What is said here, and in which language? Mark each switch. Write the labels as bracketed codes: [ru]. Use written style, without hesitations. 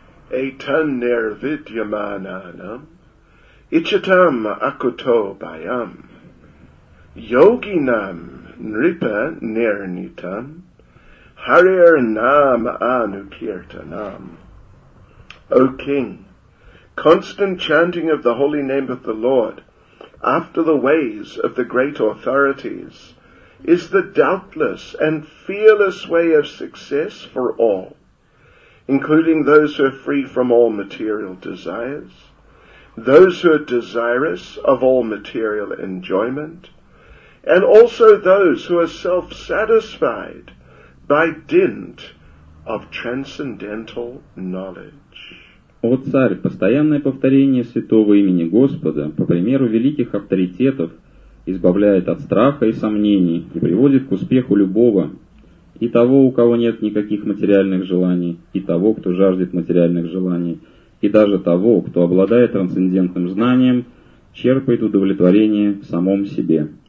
[sa] Этан нер видьяманам, ичитам акуто байам, йогинам нрипа нер нитам, харир нам анукиртанам. [en] O King, constant chanting of the holy name of the Lord after the ways of the great authorities is the doubtless and fearless way of success for all, including those who are free from all material desires, those who are desirous of all material enjoyment, and also those who are self-satisfied by dint of transcendental knowledge. [ru] О царь, постоянное повторение святого имени Господа, по примеру великих авторитетов, избавляет от страха и сомнений и приводит к успеху любого, и того, у кого нет никаких материальных желаний, и того, кто жаждет материальных желаний, и даже того, кто обладает трансцендентным знанием, черпает удовлетворение в самом себе.